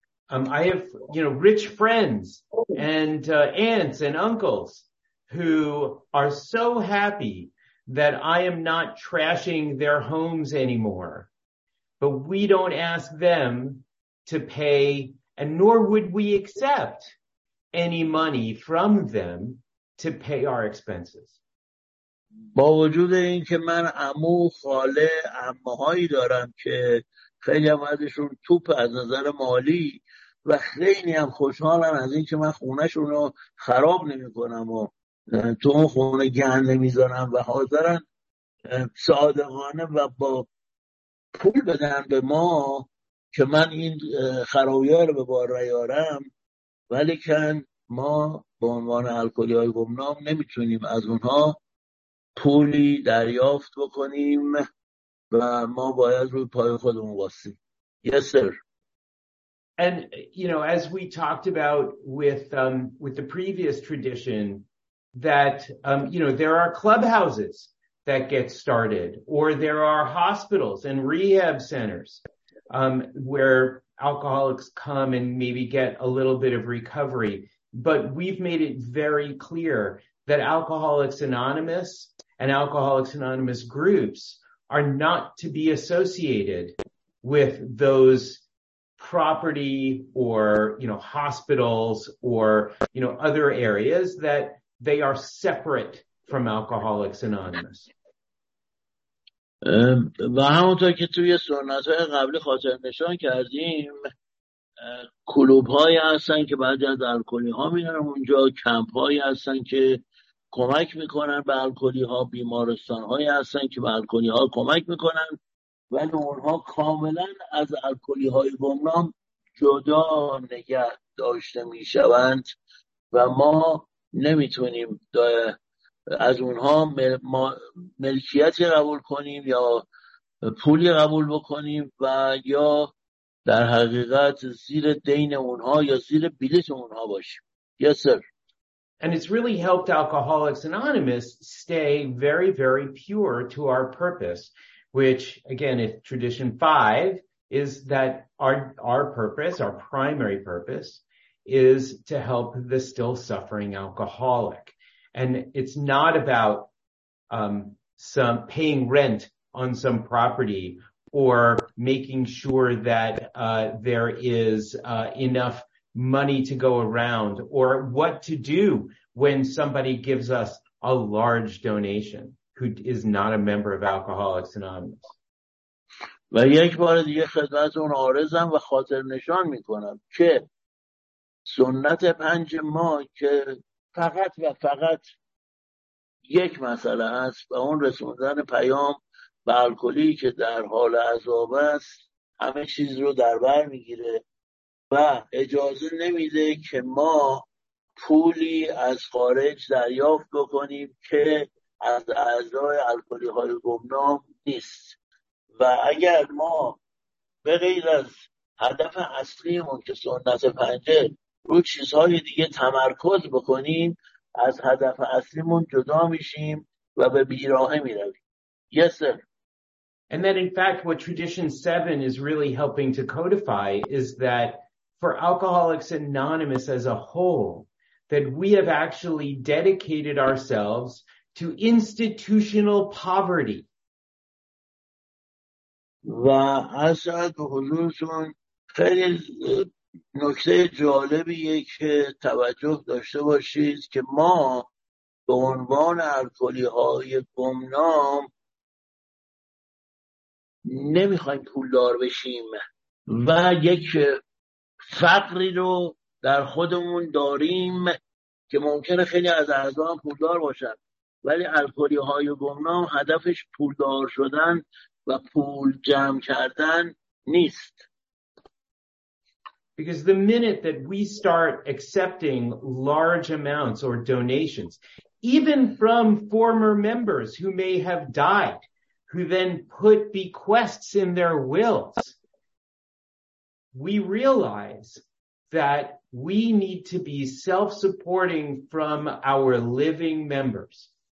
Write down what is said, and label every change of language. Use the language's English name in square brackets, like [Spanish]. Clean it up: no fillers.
[English] I have, you know, rich friends and aunts and uncles who are so happy that I am not trashing their homes anymore. But we don't ask them to pay, and nor would we accept any money from them to pay our expenses. [Persian] با وجود این که من عمو خاله عموهایی دارم که خیلی هم ازشون توپ از نظر مالی و خیلی هم خوشحالم از این که من خونهشون رو خراب نمی کنم و تو اون خونه گند نمی زنم و حاضرن صادقانه و با پول بدن به ما که من این خرابی ها رو به بار نیارم، ولیکن ما به عنوان الکلی های گمنام نمی تونیم از اونها پولی دریافت بکنیم و ما باید روی پای خودمون باشیم. [English] Yes, sir. And you know, as we talked about with the previous tradition that, you know, there are clubhouses that get started, or there are hospitals and rehab centers where alcoholics come and maybe get a little bit of recovery. But we've made it very clear that Alcoholics Anonymous and Alcoholics Anonymous groups are not to be associated with those property or, you know, hospitals or, you know, other areas, that they are separate from Alcoholics Anonymous. [Persian] و همونطور که توی سنت‌های قبلی خاطر نشان کردیم، کلوب‌هایی هستن که بعد از الکلی‌ها میرن اونجا، کمپ‌هایی هستن که کمک می‌کنن به الکلی‌ها، بیمارستان‌هایی هستن که به الکلی‌ها کمک می‌کنن، ولی اونها کاملاً از الکلی‌های گمنام جدا نگه داشته می‌شوند و ما نمی‌تونیم از اونها ملکیتی قبول کنیم یا پولی قبول بکنیم و یا در حقیقت زیر دین اونها یا زیر بلیط اونها باشیم. [English] Yes, sir. And it's really helped Alcoholics Anonymous stay very, very pure to our purpose, which, again, if tradition 5 is that our purpose, our primary purpose, is to help the still suffering alcoholic. And it's not about some paying rent on some property or making sure that there is enough money to go around or what to do when somebody gives us a large donation who is not a member of Alcoholics Anonymous. [Persian] و یک بار دیگه خدمتتون عارضم و خاطر نشان میکنم که سنت پنج ما که فقط و فقط یک مسئله است و اون رسوندن پیام به الکلی که در حال عذاب است، همه چیز رو در بر میگیره و اجازه نمیده که ما پولی از خارج دریافت بکنیم که از اعضای الکلی های گمنام نیست. و اگر ما به غیر از هدف اصلیمون که سنت پنجه رو چیزهای دیگه تمرکز بکنیم، از هدف اصلیمون جدا میشیم و به بیراهه میرویم. [English] Yes, sir. And then in fact what tradition 7 is really helping to codify is that for Alcoholics Anonymous as a whole, that we have actually dedicated ourselves to institutional poverty. [Persian] و اصلا به حضورتون خیلی نکته جالبیه که توجه داشته باشید که ما به عنوان الکلی‌های گمنام نمیخوایم پولدار بشیم و یک فقری رو در خودمون داریم که ممکنه خیلی از اعضا پولدار باشن، ولی الکلی‌های گمنام هدفش پولدار شدن و پول جمع کردن نیست. [English] Because the minute that we start accepting large amounts or donations, even from former members who may have died, who then put bequests in their wills, we realize that we need to be self-supporting from our living members.